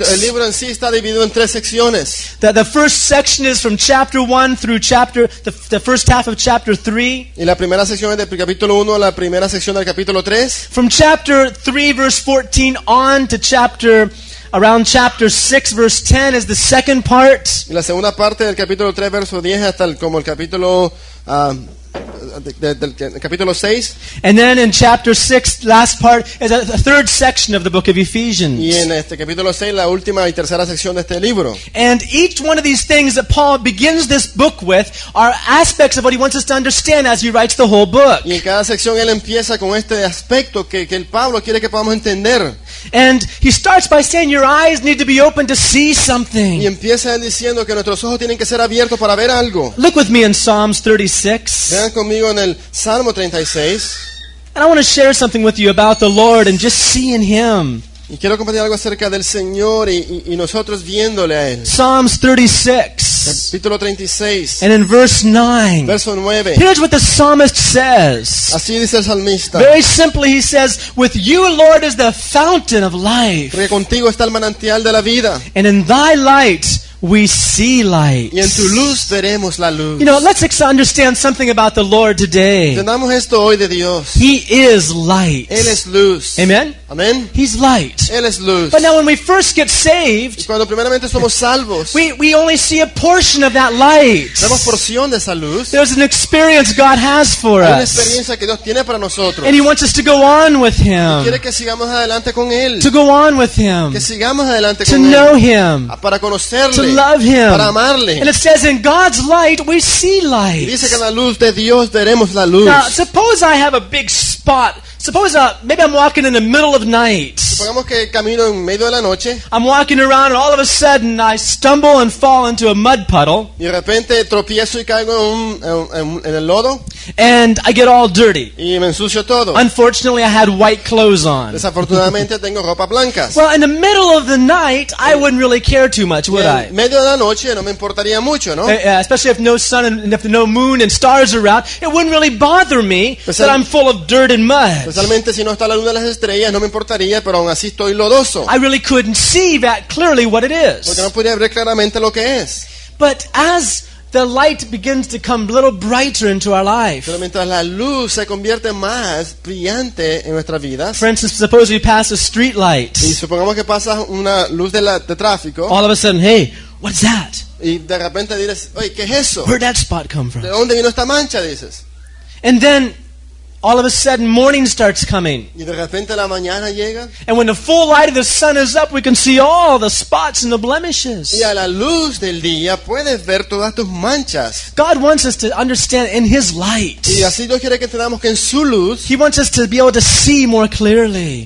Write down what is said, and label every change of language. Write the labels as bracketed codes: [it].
[es] El libro en sí está dividido en tres secciones. [en] The first section is from chapter 1 through chapter the first half of chapter 3. [es] Y la primera sección es del capítulo 1 a la primera sección del capítulo 3. [en] From chapter 3 verse 14 on to chapter around chapter 6 verse 10 is the second part. [es] La segunda parte del capítulo 3 verso 10 hasta el, como el capítulo del capítulo 6. [en] And then in chapter 6 last part is a third section of the book of Ephesians. [es] Y en este capítulo 6 la última y tercera sección de este libro. [en] And each one of these things that Paul begins this book with are aspects of what he wants us to understand as he writes the whole book. [es] Y en cada sección él empieza con este aspecto que el Pablo quiere que podamos entender. [en] And he starts by saying your eyes need to be open to see something. [es] Y empieza él diciendo que nuestros ojos tienen que ser abiertos para ver algo. [en] Look with me in Psalms 36. [es] Vean conmigo en el Salmo 36. [en] And I want to share something with you about the Lord and just seeing him. [es] Y quiero compartir algo acerca del Señor y nosotros viéndole a él. [en] Psalms 36. [es] Capítulo 36. [en] And in verse 9. [es] Verso 9. [en] Here's what the psalmist says. [es] Así dice el salmista. [en] Very simply he says, with you, Lord, is the fountain of life. [es] Porque contigo está el manantial de la vida. [en] And in thy light we see light. [es] Y en tu luz veremos la luz. [en] You know, let's understand something about the Lord today. [es] Entendamos esto hoy de Dios. [en] He is light. [es] Él es luz. [en] Amen? Amen. He's light. [es] Él es luz. [en] But now when we first get saved, [es] cuando primeramente somos salvos, [en] we only see a portion of that light. [es] Vemos porción de esa luz. [en] There's an experience God has for us. [es] Hay una experiencia que Dios tiene para nosotros. [en] And he wants us to go on with him. [es] Y quiere que sigamos adelante con él. [en] To go on with him. [es] Que sigamos adelante con él. [en] To know him. [es] Para conocerlo. [en] To love him. [es] Para amarle. [en] And it says in God's light we see light. [es] Dice que en la luz de Dios veremos la luz. [en] Now suppose I have a big spot Suppose maybe I'm walking in the middle of night. [es] Supongamos que camino en medio de la noche. [en] I'm walking around and all of a sudden I stumble and fall into a mud puddle. [es] Y de repente tropiezo y caigo en el lodo. [en] And I get all dirty. [es] Y me ensucio todo. [en] Unfortunately, I had white clothes on. [es] Desafortunadamente tengo ropa blanca. [en] Well, in the middle of the night, I wouldn't really care too much, would I? [es] En medio de la noche no me importaría mucho, ¿no? [en] Especially if no sun and if no moon and stars are out, it wouldn't really bother me that I'm full of dirt and mud. [es] Especialmente si no está la luna de las estrellas, no me importaría, pero aún así estoy lodoso. [en] I really couldn't see that clearly what it is. [es] Porque no podía ver claramente lo que es. [en] But as the light begins to come a little brighter into our life. [es] Pero mientras la luz se convierte más brillante en nuestras vidas. [en] For instance, suppose we pass a street light. [es] Y supongamos que pasa una luz de tráfico. [en] All of a sudden, hey, what's that? [es] Y de repente dices, oye, ¿qué es eso? [en] Where'd that spot come from? [es] ¿De dónde vino esta mancha? Dices. [en] And then all of a sudden, morning starts coming. [es] Y de repente la mañana llega. [en] And when the full light of the sun is up, we can see all the spots and the blemishes. [es] Y a la luz del día puedes ver todas tus manchas. [en] God wants us to understand in His light. [es] Y así Dios quiere que entendamos que en su luz. [en] He wants us to be able to see more clearly.